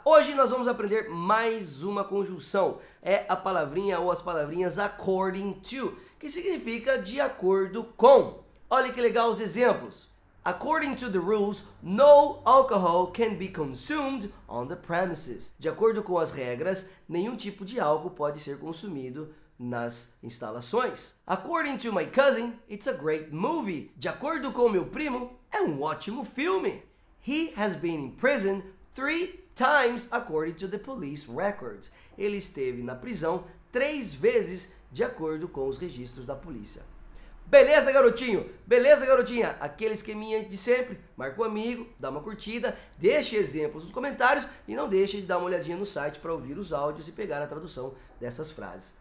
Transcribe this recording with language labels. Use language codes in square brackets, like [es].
[pt] Hoje nós vamos aprender mais uma conjunção. É a palavrinha ou as palavrinhas according to, que significa de acordo com. Olha que legal os exemplos. [en] According to the rules, no alcohol can be consumed on the premises. [pt] De acordo com as regras, nenhum tipo de álcool pode ser consumido nas instalações. [en] According to my cousin, it's a great movie. [pt] De acordo com meu primo, é um ótimo filme. [en] He has been in prison 3 times according to the police records. [pt] Ele esteve na prisão 3 vezes de acordo com os registros da polícia. Beleza, garotinho? Beleza, garotinha? Aquele esqueminha de sempre. Marca um amigo, dá uma curtida, deixe exemplos nos comentários e não deixe de dar uma olhadinha no site para ouvir os áudios e pegar a tradução dessas frases.